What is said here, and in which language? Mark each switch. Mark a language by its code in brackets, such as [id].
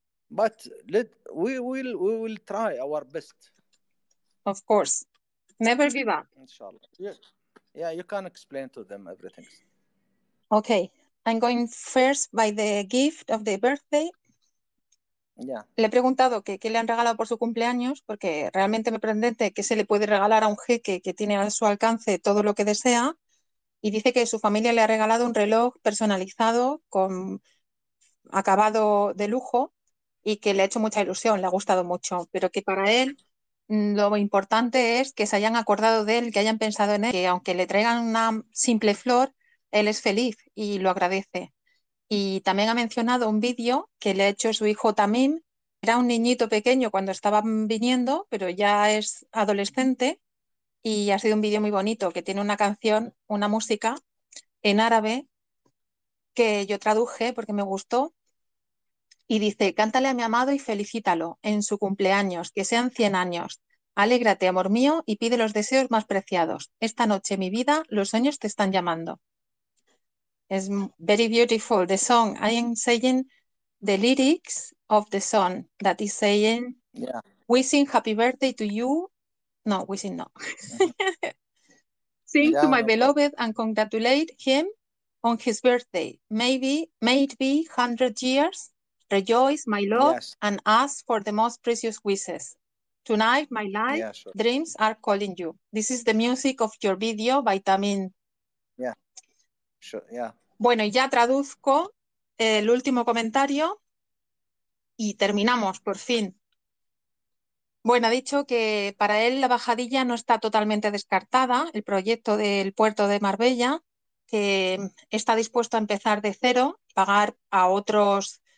[en] But we will try our best. Of course. Never give up. Inshallah. Yeah, you can explain to them everything. Okay. I'm going first by the gift of the birthday. Yeah. [es] Le he preguntado qué le han regalado por su cumpleaños, porque realmente me prende que se le puede regalar a un jeque que tiene a su alcance todo lo que desea. Y dice que su familia le ha regalado un reloj personalizado con acabado de lujo y que le ha hecho mucha ilusión, le ha gustado mucho, pero que para él... Lo importante es que se hayan acordado de él, que hayan pensado en él, que aunque le traigan una simple flor, él es feliz y lo agradece. Y también ha mencionado un vídeo que le ha hecho su hijo Tamim. Era un niñito pequeño cuando estaban viniendo, pero ya es adolescente y ha sido un vídeo muy bonito, que tiene una canción, una música en árabe que yo traduje porque me gustó. Y dice, cántale a mi amado y felicítalo en su cumpleaños, que sean 100 años. Alégrate, amor mío, y pide los deseos más preciados. Esta noche, mi vida, los sueños te están llamando. [en] It's very beautiful, the song. I am saying the lyrics of the song that is saying, wishing happy birthday to you. No, wishing no. Sing to my beloved and congratulate him on his birthday. Maybe 100 years. Rejoice, my love, and ask for the most precious wishes. Tonight, my life, dreams are calling you. This is the music of your video, Vitamin. [es] Bueno, ya traduzco el último comentario y terminamos, por fin. Bueno, ha dicho que para él la bajadilla no está totalmente descartada, el proyecto del puerto de Marbella, que está dispuesto a empezar de cero, pagar a otros...